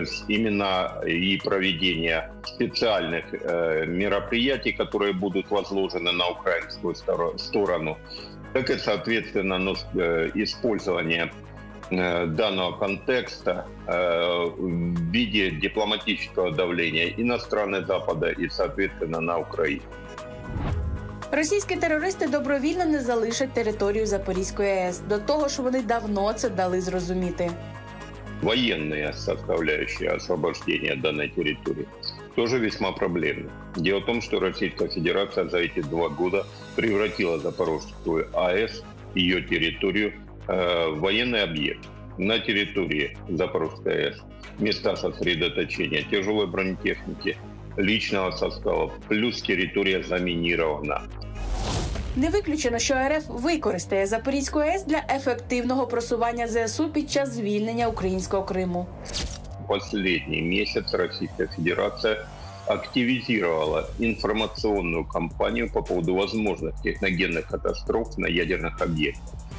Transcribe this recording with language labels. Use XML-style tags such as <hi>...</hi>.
<ru>Именно и проведение специальных мероприятий, которые будут возложены на украинскую сторону, так и, соответственно, использование данного контекста в виде дипломатического давления и на страны Запада, и, соответственно, на Украину.</ru> <uk>Російські терористи добровільно не залишать територію Запорізької АЕС. До того ж, вони давно це дали зрозуміти.</uk> <ru>Военные составляющие освобождения данной территории тоже весьма проблемны. Дело в том, что Российская Федерация за эти 2 года превратила Запорожскую АЭС, ее территорию, в военный объект. На территории Запорожской АЭС места сосредоточения тяжелой бронетехники, личного состава, плюс территория заминирована.</ru> <uk>Не виключено, що РФ використає Запорізьку АЕС для ефективного просування ЗСУ під час звільнення українського Криму. Останній місяць Російська Федерація активізувала інформаційну кампанію по поводу можливих техногенних катастроф на ядерних об'єктах.</uk>